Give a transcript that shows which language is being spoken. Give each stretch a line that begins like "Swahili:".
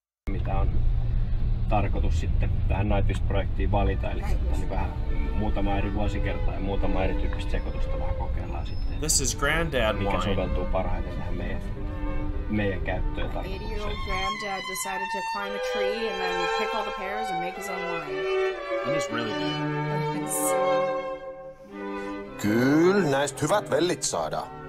Finnish: Mitä on tarkoitus sitten tähän Nightwish-projektiin valita, eli sitten vähän muutama eri vuosikerta ja muutama eri tyyppistä sekoitusta vähän kokeillaan sitten.
English: This is granddad
Finnish: mikä
English: wine.
Finnish: Mikä soveltuu parhaiten tähän meidän käyttöön tarkoitukseen.
English: 80-year-old granddad decided to climb a tree and then pick all the pears and make his own wine. It is really good.
Finnish: Kyllä, näistä hyvät vellit saadaan.